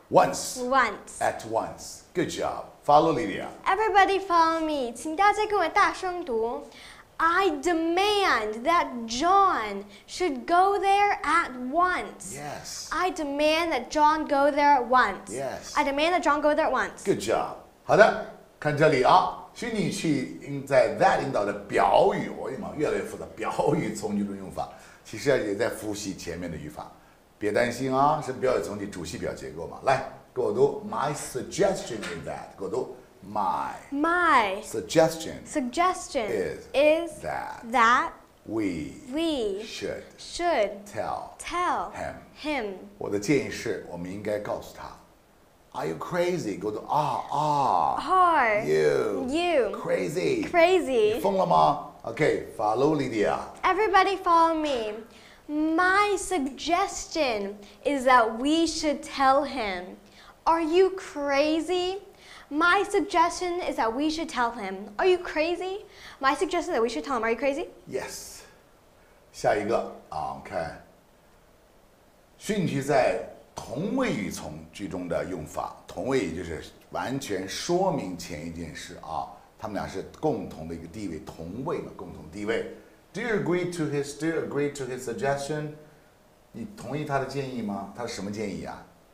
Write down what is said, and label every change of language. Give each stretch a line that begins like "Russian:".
English: once. At once. Good job. Follow Lydia. Everybody follow me.
Chinese: 请大家跟我大声读。
English: I demand that John should go there at once. Yes. I demand that John go there at once. Yes. I demand that John go there at once. Good job.
Chinese: 好的，看这里啊，虚拟语气应在 that 引导的表语，我跟你讲，越来越复杂，表语从句论用法，其实也在复习前面的语法。别担心啊，是表语从句主系表结构嘛。来，给我读
English: my suggestion in that，
Chinese: 给我读。My
English: suggestion is that we should tell him.
Chinese: 我的建议是我们应该告诉他
English: Are you crazy? Go to are you crazy?
Chinese: 你疯了吗
English: Okay, follow Lydia. Everybody follow me. My suggestion is that we should tell him. Are you crazy? My suggestion is that we should tell him. Are you crazy? My suggestion is that we should tell him. Are you crazy? Yes.
Chinese: 下一个啊，我们看，虚拟语气在同位语从句中的用法。同位语就是完全说明前一件事啊，他们俩是共同的一个地位，同位嘛，共同地位。
English: Do you agree to his suggestion?
Chinese: 你同意他的建议吗？他什么建议啊？